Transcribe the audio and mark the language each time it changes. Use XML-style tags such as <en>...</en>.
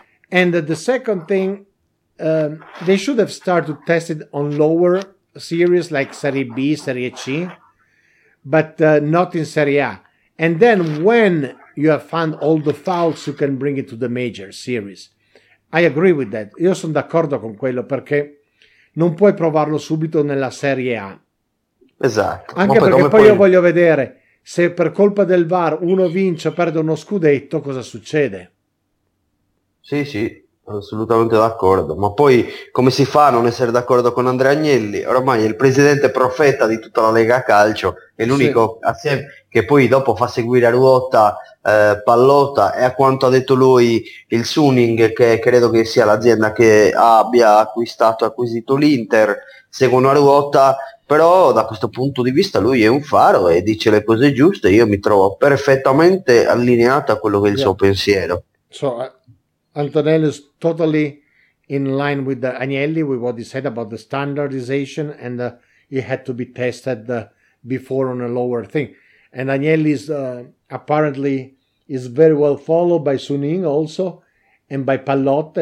<en>And the second thing, they should have started to test it on lower series like Serie B, Serie C, but not in Serie A. And then when you have found all the fouls, you can bring it to the major series. I agree with that.</en> <it>Io sono d'accordo con quello, perché non puoi provarlo subito nella Serie A. Esatto. Anche perché poi io voglio vedere se per colpa del VAR uno vince o perde uno scudetto, cosa succede. Sì, assolutamente d'accordo. Ma poi come si fa a non essere d'accordo con Andrea Agnelli? Ormai è il presidente profeta di tutta la Lega Calcio, è l'unico che poi dopo fa seguire a ruota Pallotta, e a quanto ha detto lui il Suning, che credo che sia l'azienda che abbia acquisito l'Inter, seguono a ruota. Però da questo punto di vista lui è un faro e dice le cose giuste. Io mi trovo perfettamente allineato a quello che è il suo pensiero.</it> <en>So, Antonello is totally in line with Agnelli, with what he said about the standardization, and it had to be tested before on a lower thing. And Agnelli is apparently is very well followed by Suning also, and by Pallotta.</en>